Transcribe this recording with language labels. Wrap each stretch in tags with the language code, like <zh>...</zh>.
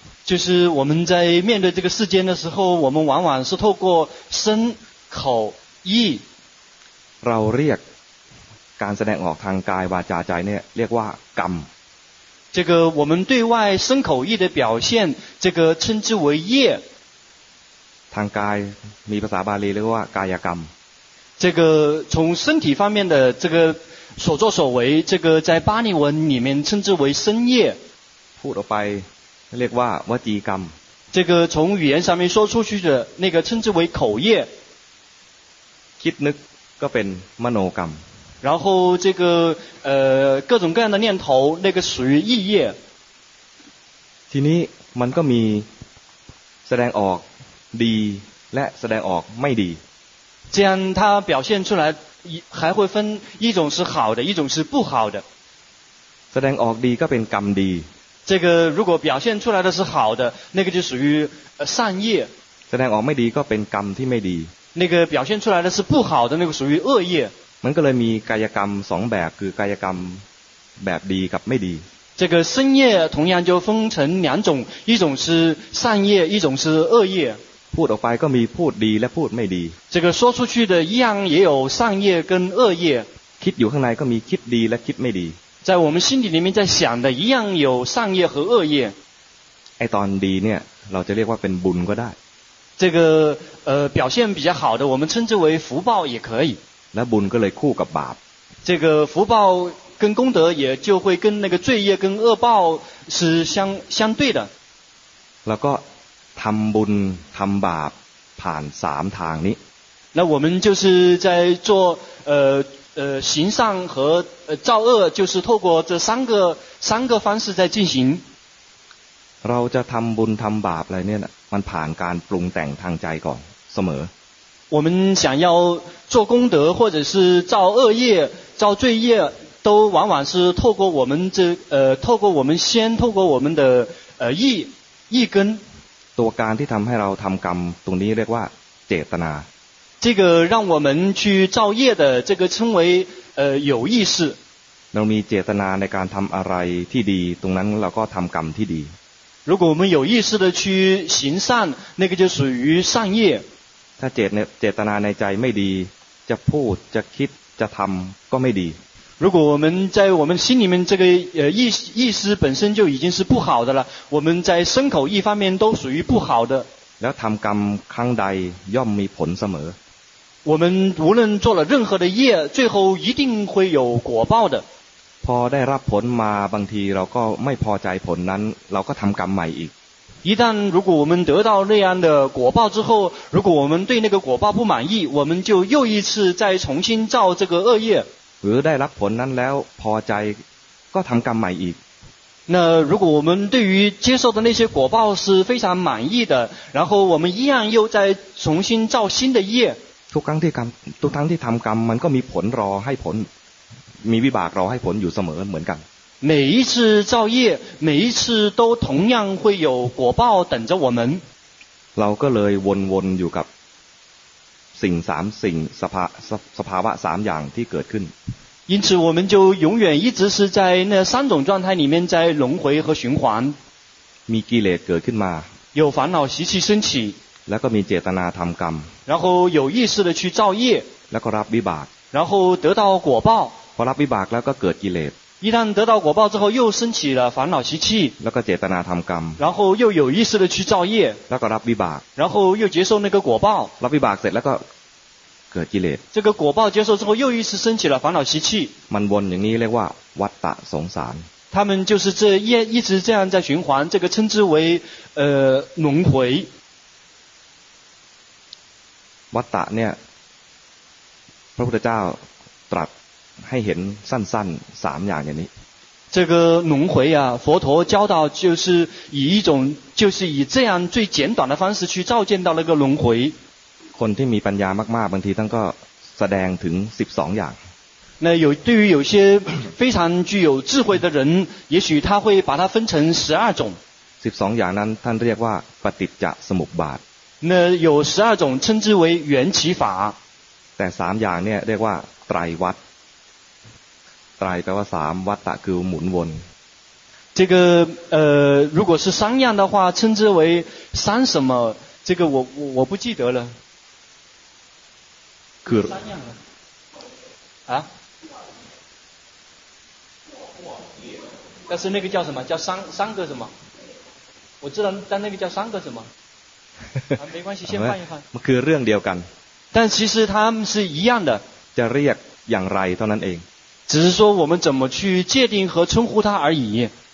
<zh>就是我们在面对这个世间的时候我们往往是透过身口意</zh> <th>เราเรียกการแสดงออกทางกายวาจาใจเนี่ยเรียกว่ากรรม</th> <zh>这个我们对外身口意的表现这个称之为业</zh> <th>ทางกายมีภาษาบาลีเรียกว่ากายกรรม</th> <zh>这个从身体方面的这个所作所为这个在巴利文里面称之为身业</zh> <th>พูดออกไปเรียกว่าวจีกรรม</th> <zh>这个从语言上面说出去的那个称之为口业</zh> <th>คิดนึกก็เป็นมโนกรรม</th> <zh>然后这个各种各样的念头那个属于意业</zh> <th>ทีนี้มันก็มีแสดงออกดีและแสดงออกไม่ดี</th> <zh>这样它表现出来还会分一种是好的一种是不好的</zh> <th>แสดงออกดีก็เป็นกรรมดี</th> <zh>这个如果表现出来的是好的那个就属于善业</zh> <th>แสดงออกไม่ดีก็เป็นกรรมที่ไม่ดี</th> <zh>那个表现出来的是不好的那个属于恶业</zh> <th>มันก็เลยมีกายกรรม2แบบคือกายกรรมแบบดีกับไม่ดี</th> <zh>这个身业同样就分成两种一种是善业一种是恶业</zh> <th>พูดออกไปก็มีพูดดีและพูดไม่ดี</th> <zh>这个说出去的一样也有善业跟恶业</zh> <th>คิดอยู่ข้างในก็มีคิดดีและคิดไม่ดี</th> <zh>在我们心底里面在想的一样有善业和恶业</zh> <th>ไอ้ตอนดีเนี่ยเราจะเรียกว่าเป็นบุญก็ได้</th> <zh>这个表现比较好的我们称之为福报也可以</zh> <th>และบุญก็เลยคู่กับบาป</th> <zh>这个福报跟功德也就会跟那个罪业跟恶报是相对的</zh> <th>แล้วก็ทำบุญทำบาปผ่านสามทางนี้</th> <zh>那我们就是在做行善和造恶就是透过这三个方式在进行</zh> <th>เราจะทำบุญทำบาปอะไรเนี่ยมันผ่านการปรุงแต่งทางใจก่อนเสมอ</th> <zh>我们想要做功德或者是造恶业造罪业都往往是透过我们这透过我们先透过我们的意根</zh> <th>ตัวการที่ทำให้เราทำกรรมตรงนี้เรียกว่าเจตนา</th> <zh>这个让我们去造业的这个称为有意识</zh> <th>เรามีเจตนาในการทำอะไรที่ดีตรงนั้นเราก็ทำกรรมที่ดี</th> <zh>如果我们有意识的去行善那个就属于善业</zh> <th>ถ้าเจตนาในใจไม่ดีจะพูดจะคิดจะทำก็ไม่ดี</th> <zh>如果我们在我们心里面这个意识本身就已经是不好的了，我们在身口意方面都属于不好的。</zh> <th>แล้วทำกรรมครั้งใดย่อมมีผลเสม</th> <zh>อ。我们无论做了任何的业，最后一定会有果报的。</zh> <th>พอได้รับผลมาบางทีเราก็ไม่พอใจผลนั้นเราก็ทำกรรมใหม่อีก。</th> <zh>一旦如果我们得到那样的果报之后，如果我们对那个果报不满意，我们就又一次再重新造这个恶业。</zh> <th>หรือได้รับผลนั้นแล้วพอใจก็ทำกรรมใหม่อีก</th> <zh>那如果我们对于接受的那些果报是非常满意的然后我们一样又再重新造新的业</zh> <th>ทุกครั้งที่ทำกรรมมันก็มีผลรอให้ผลมีวิบากรอให้ผลอยู่เสมอเหมือนกัน</th> <zh>每一次造业每一次都同样会有果报等着我们</zh> <th>เราก็เลยวนๆอยู่กับสิ่งสามสิ่งสภาวะสามอย่างที่เกิดขึ้น</th> <zh>因此我们就永远一直是在那三种状态里面在轮回和循环</zh> <th>มีกิเลสเกิดขึ้นมา</th> <zh>有烦恼习气升起</zh> <th>แล้วก็มีเจตนาทำกรรม</th> <zh>然后有意识的去造业</zh> <th>แล้วก็รับวิบาก</th> <zh>然后得到果报</zh> <th>พอรับวิบากแล้วก็เกิดกิเลส</th> <zh>一旦得到果报之后又升起了烦恼习气</zh> <th>แล้วก็เจตนาทำกรรม</th> <zh>然后又有意识的去造业</zh> <th>แล้วก็รับวิบาก</th> <zh>然后又接受那个果报</zh> <th>รับวิบากเสร็จแล้วก็เกิดกิเลส</th> <zh>这个果报接受之后又一次升起了烦恼习气</zh> <th>มันวนอย่างนี้เรียกว่าวัฏฏะสงสาร</th> <zh>他们就是这一直这样在循环这个称之为轮回</zh> <th>วัฏฏะเนี่ยพระพุทธเจ้าตรัสให้เห็นสั้นๆ3อย่างอย่างนี้</th> <zh>这个轮回啊佛陀教导就是以一种就是以这样最简短的方式去照见到那个轮回</zh> <th>คนที่มีปัญญามากๆบางทีท่านก็แสดงถึง12อย่าง</th> <zh>那有对于有些非常具有智慧的人也许他会把它分成12种</zh> <th>12อย่างนั้นท่านเรียกว่าปฏิจจสมุปบาท</th> <zh>那有12种称之为缘起法</zh> <th>แต่3อย่างเนี่ยเรียกว่าไตรวัฏไตรแปลว่า3วัฏฏะคือหมุนวน</th> <zh>这个如果是三样的话称之为三什么这个我不记得了</zh> <th>คือ</th> <zh>三样了啊但是那个叫什么叫三个什么我知道但那个叫三个什么没关系先换一换</zh> <th>มันคือเรื่องเดียวกัน</th> <zh>但其实它们是一样的</zh> <th>จะเรียกอย่างไรเท่านั้นเอง</th> <zh>只是说我们怎么去界定和称呼他而已。</zh>